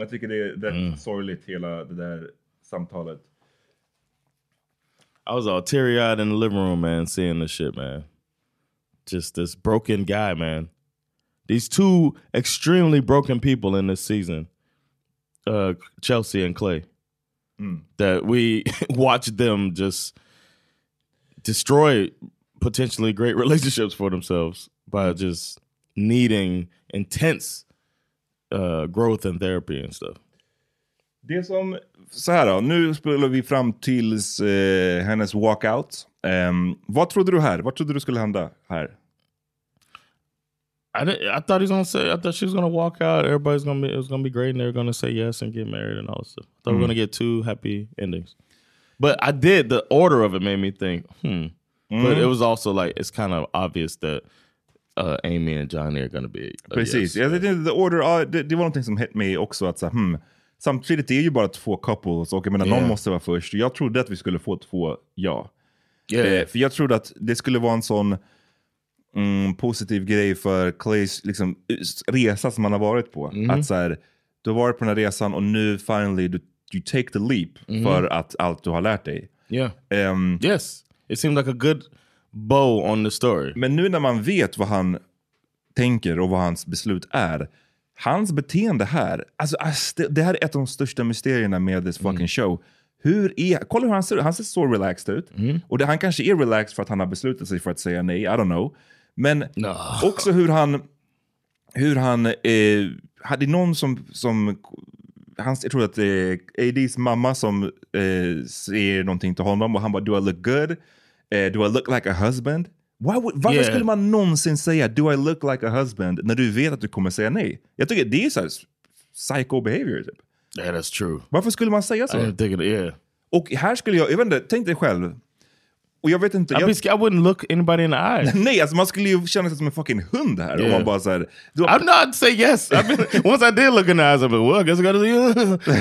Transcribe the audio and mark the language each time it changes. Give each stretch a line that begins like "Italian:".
Swedish: Jag tycker det är sorgligt hela det där samtalet.
English: I was all teary-eyed in the living room, man, seeing this shit, man. Just this broken guy, man. These two extremely broken people in this season. Chelsea and Clay. Mm. That we watched them just destroy potentially great relationships for themselves by just needing intense growth and therapy and stuff.
Swedish: Det som, så här då, nu spelar vi fram tills hennes walkout. Vad trodde du här? Vad trodde du skulle hända här?
English: I thought she was gonna walk out. Everybody's gonna be, it was gonna be great, and they're gonna say yes and get married and all this stuff. I thought we're gonna get two happy endings. But I did, the order of it made me think, But it was also like, it's kind of obvious that Amy and Johnny are going to be.
Swedish: Precis,
English: Yeah, the order,
Swedish: det var någonting som
English: hit me
Swedish: också, att så, samtidigt det är ju bara två couples, och jag menar, någon måste vara först. Jag trodde att vi skulle få två ja.
English: Yeah.
Swedish: För jag trodde att det skulle vara en sån positiv grej för Clays liksom, resa som man har varit på. Mm. Att så här, du har varit på den här resan och nu
English: finally you take the leap
Swedish: för att allt du har lärt dig.
English: Yeah. Yes. It seemed like a good bow on the story.
Swedish: Men nu när man vet vad han tänker och vad hans beslut är, hans beteende här, alltså det här är ett av de största mysterierna med
English: this fucking show.
Swedish: Hur är, kolla hur han ser ut. Han ser så relaxed ut. Mm. Och han kanske är relaxed för att han har beslutat sig för att säga nej.
English: I don't know.
Swedish: Men
English: no.
Swedish: Också hur han hade någon som han, jag tror att det är ADs mamma som säger någonting till honom. Och han bara,
English: do I look good? Do I look like a husband?
Swedish: Varför skulle man någonsin säga,
English: do I look like a husband?
Swedish: När du vet att du kommer säga nej. Jag tycker det är så här
English: psycho behavior.
Swedish: Typ.
English: Yeah, that's true.
Swedish: Varför skulle man säga så?
English: I didn't think it, yeah.
Swedish: Och här skulle jag vet inte, tänk dig själv. Och jag vet inte.
English: I wouldn't look anybody in the eye.
Swedish: Nej, alltså man skulle ju känna sig som en fucking hund här. Yeah. Om man bara såhär.
English: I'm not saying yes. I mean, once I did look in the eyes, I'm like, well, I guess I gotta see.